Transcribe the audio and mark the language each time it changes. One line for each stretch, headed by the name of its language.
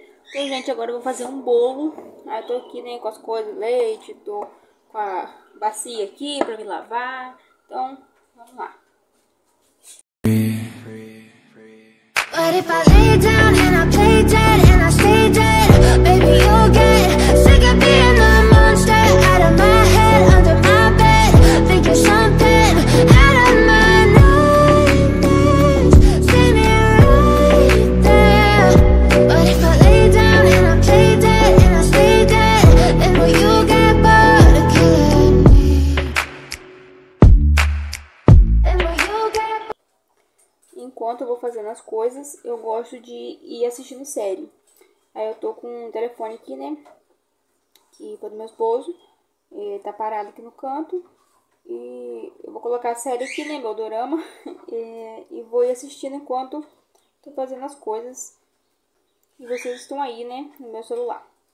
Portuguese: Então, gente, agora eu vou fazer um bolo. Eu tô aqui, né, com as coisas, leite, tô com a bacia aqui pra me lavar. Então, vamos lá.
English: But if I lay down and I play dead and I stay dead, baby, you'll get sick of being the monster out of my head, under my bed, thinking something out of my nightmares. See me right there. But if I lay down and I play dead and I stay dead, then will you get bored of killing me? Then will you get bored?
Portuguese: Enquanto eu vou fazendo as coisas, eu gosto de ir assistindo série. Aí eu tô com um telefone aqui, né, que foi do meu esposo, e tá parado aqui no canto, e eu vou colocar a série aqui, né, meu dorama, e vou ir assistindo enquanto tô fazendo as coisas, e vocês estão aí, né, no meu celular.